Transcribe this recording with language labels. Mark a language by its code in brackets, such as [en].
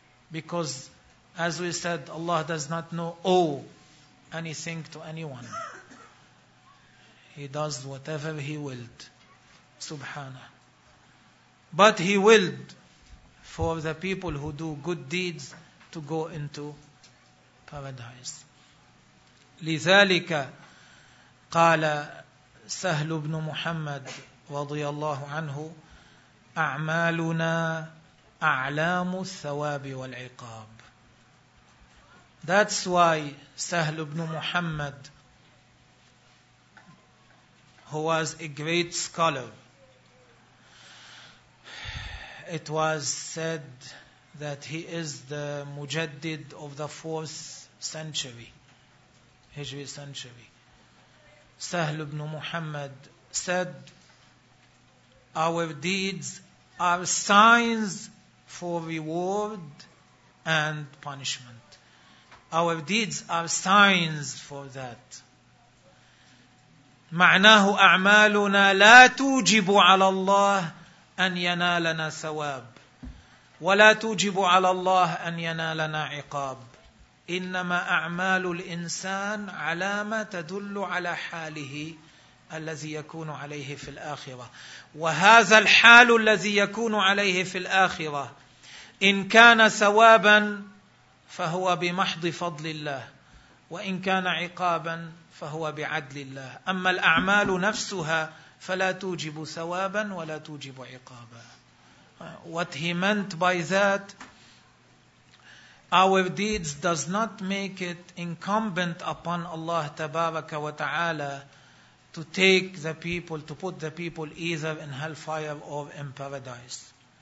[en] Because as we said, Allah does not owe anything to anyone. He does whatever He willed. Subhanah. But He willed for the people who do good deeds to go into paradise. [ar] لذلك قال سهل بن محمد رضي الله عنه أعمالنا أعلام الثواب والعقاب. [en] That's why سهل بن محمد, who was a great scholar, it was said that he is the Mujaddid of the 4th century, Hijri century. Sahl ibn Muhammad said, our deeds are signs for reward and punishment. Our deeds are signs for that. [ar] معناه أعمالنا لا توجب على الله أن ينالنا ثواب ولا توجب على الله أن ينالنا عقاب إنما أعمال الإنسان علامة تدل على حاله الذي يكون عليه في الآخرة وهذا الحال الذي يكون عليه في الآخرة إن كان ثوابا فهو بمحض فضل الله وإن كان عقابا فهو بعدل الله أما الأعمال نفسها فلا توجب ثوابا ولا توجب عقابا. [en] What he meant by that, our deeds does not make it incumbent upon Allah tabaraka wa ta'ala to take the people, to put the people either in hellfire or in paradise.